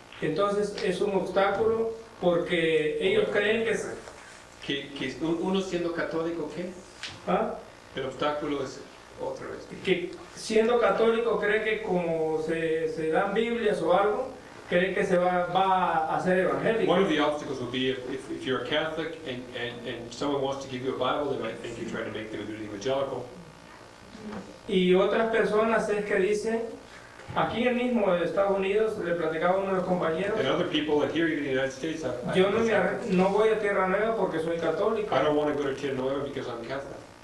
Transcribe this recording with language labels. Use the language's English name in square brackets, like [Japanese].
[Spanish] Entonces es un obstáculo porque ellos creen que es que uno siendo católico qué, ¿ah? El obstáculo es otra vez que siendo católico cree que como se dan Biblias o algo, cree que se va a ser evangélico. [English] One of the obstacles would be if you're a Catholic and someone wants to give you a Bible, they might think you're trying to make them an evangelical. [Spanish] Y otras personas es que dicen, aquí mismo en Estados Unidos, le platicaba a uno de los compañeros. [English] And other people that here in the United States, [Spanish] yo no voy a Tierra Nueva porque soy católico. [English] I don't want to go to Tierra Nueva because I'm Catholic.